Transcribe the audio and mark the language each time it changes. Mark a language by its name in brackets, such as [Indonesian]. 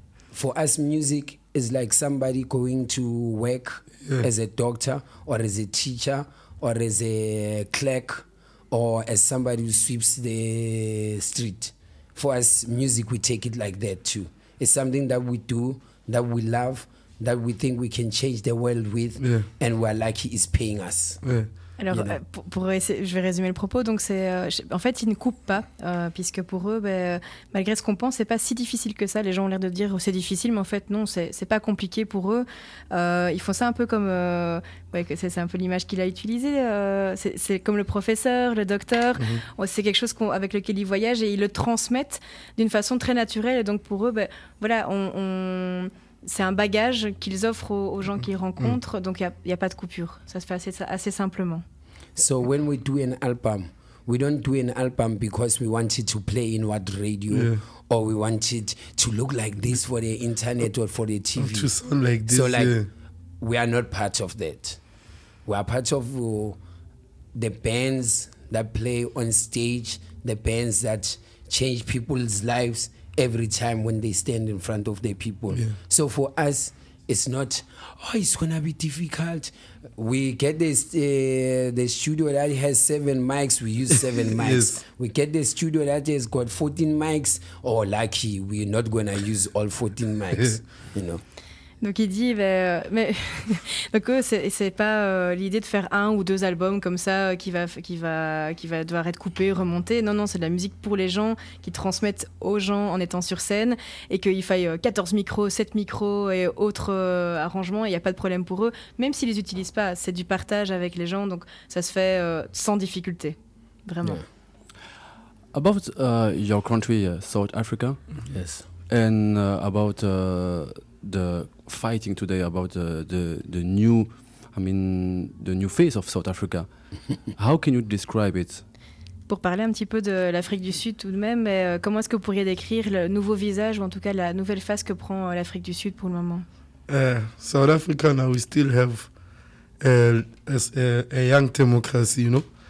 [English] For us, music is like somebody going to work as a doctor or as a teacher or as a clerk. Or as somebody who sweeps the street. For us, music, we take it like that too. It's something that we do, that we love, that we think we can change the world with, and we're lucky it's paying us. Yeah. [French] Alors, je vais résumer le propos. Donc, en fait, ils ne coupent pas, puisque pour eux, malgré ce qu'on pense, c'est pas si difficile que ça. Les gens ont l'air de dire c'est difficile, mais en fait, non, c'est pas compliqué pour eux. Ils font ça un peu comme... Ouais, c'est un peu l'image qu'il a utilisée. C'est comme le professeur, le docteur. Mmh. C'est quelque chose avec lequel ils voyagent et ils le transmettent d'une façon très naturelle. Et donc, pour eux, c'est un bagage qu'ils offrent aux gens qu'ils rencontrent. Mmh. Donc, il n'y a pas de coupure. Ça se fait assez simplement. [English] So, when we do an album, we don't do an album because we want it to play in what radio or we want it to look like this for the internet or for the TV. To sound like this, We are not part of that. We are part of the bands that play on stage, the bands that change people's lives every time when they stand in front of their people. Yeah. So for us, it's not, it's gonna be difficult. We get this the studio that has 7 mics, we use 7 mics. Yes. We get the studio that has got 14 mics, lucky, we're not gonna use all 14 mics, you know. [French] Donc il dit, donc c'est pas l'idée de faire un ou deux albums comme ça qui va devoir être coupé, remonté. Non, c'est de la musique pour les gens, qui transmettent aux gens en étant sur scène, et qu'il faille 14 micros, 7 micros et autres arrangements, il n'y a pas de problème pour eux, même s'ils ne les utilisent pas. C'est du partage avec les gens, donc ça se fait sans difficulté, vraiment. [English] Yeah. About your country, South Africa. Yes. And about the fighting today about the new face of South Africa. How can you describe it? [French] Pour parler un petit peu de l'Afrique du Sud tout de même, mais comment est-ce que vous pourriez décrire le nouveau visage ou en tout cas la nouvelle face que prend l'Afrique du Sud pour le moment? [English] South Africa now we still have a young democracy, you know.